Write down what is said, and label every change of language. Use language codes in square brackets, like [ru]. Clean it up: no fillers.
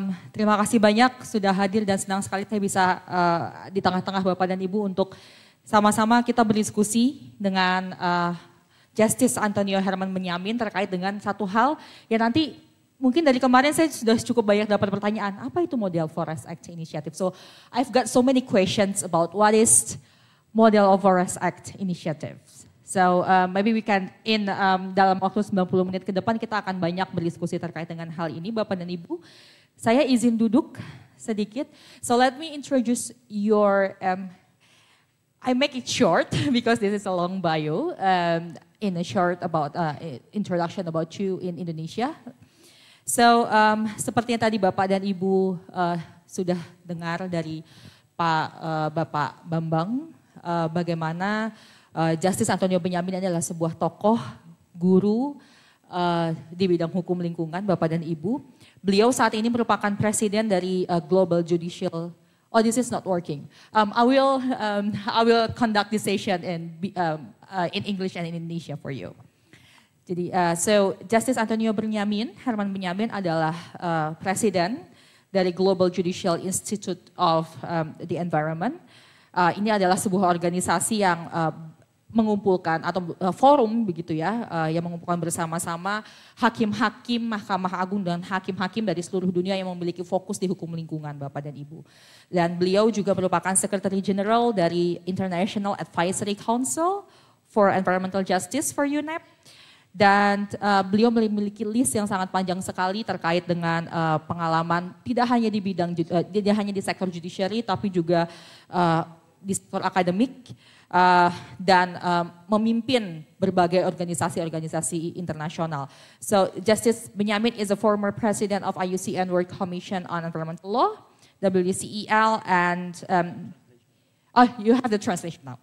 [id] Terima kasih banyak sudah hadir dan senang sekali saya bisa di tengah-tengah Bapak dan Ibu untuk sama-sama kita berdiskusi dengan Justice Antonio Herman Benjamin terkait dengan satu hal yang nanti mungkin dari kemarin saya sudah cukup banyak dapat pertanyaan, apa itu Model Forest Act Initiative? [en] So I've got so many questions about what is Model of Forest Act Initiatives. So maybe we can in [id] dalam waktu 90 menit ke depan kita akan banyak berdiskusi terkait dengan hal ini Bapak dan Ibu. Saya izin duduk sedikit. [en] So let me introduce your, I make it short because this is a long bio, in a short about introduction about you in Indonesia. [id] So seperti yang tadi Bapak dan Ibu sudah dengar dari Pak Bapak Bambang, bagaimana Justice Antonio Benjamin adalah sebuah tokoh guru di bidang hukum lingkungan Bapak dan Ibu. Beliau saat ini merupakan presiden dari Global Judicial. [en] Oh, this is not working. I will conduct this session in English and in Indonesia for you. [id] Jadi, so Justice Antonio Benjamin, Herman Benjamin adalah presiden dari Global Judicial Institute of the Environment. Ini adalah sebuah organisasi yang mengumpulkan atau forum begitu ya, yang mengumpulkan bersama-sama hakim-hakim Mahkamah Agung dan hakim-hakim dari seluruh dunia yang memiliki fokus di hukum lingkungan, Bapak dan Ibu. Dan beliau juga merupakan Secretary General dari International Advisory Council for Environmental Justice for UNEP. Dan beliau memiliki list yang sangat panjang sekali terkait dengan pengalaman tidak hanya di bidang tidak hanya di sektor judiciary tapi juga di sektor akademik dan memimpin berbagai organisasi-organisasi internasional. [en] So Justice Benyamin is a former president of IUCN Work Commission on Environmental Law, WCEL, and you have the translation now.